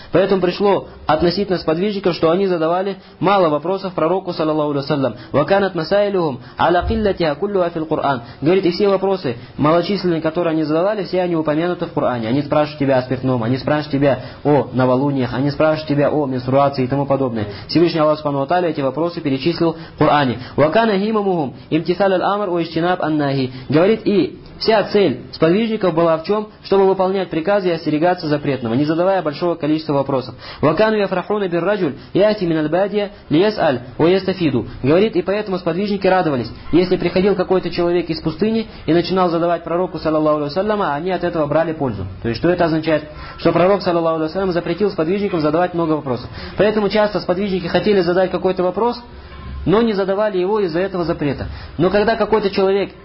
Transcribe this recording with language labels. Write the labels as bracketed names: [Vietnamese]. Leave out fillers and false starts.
[Russian] Поэтому пришло относительно сподвижников, что они задавали мало вопросов пророку, саллаллаху [Arabic] وكانت مسائلهم على قلتها كلها في القرآن. [Russian] Говорит, и все вопросы малочисленные, которые они задавали, все они упомянуты в Коране. Они спрашивают тебя о спиртном, они спрашивают тебя о новолуниях, они спрашивают тебя о менструации и тому подобное. Всевышний Аллах Субхану ва Тааля эти вопросы перечислил в Коране. [Arabic] وكان همهم امتثال الأمر واجتناب النهي. [Russian] Говорит, и вся цель сподвижников была в чем? Чтобы выполнять приказы и остерегаться запретного, не задавая большого количества вопросов. [Arabic] وكانوا يفرحون بالرجل يأتي من البادية ليسأل ويستفيد. [Russian] Говорит, и поэтому сподвижники радовались, если приходил какой-то человек из пустыни и начинал задавать пророку, саллаллаху алейхи ва саллям, они от этого брали пользу. То есть, что это означает? Что пророк, саллаллаху алейхи ва саллям, запретил сподвижникам задавать много вопросов. Поэтому часто сподвижники хотели задать какой-то вопрос, но не задавали его из-за этого запрета. Но когда какой-то человек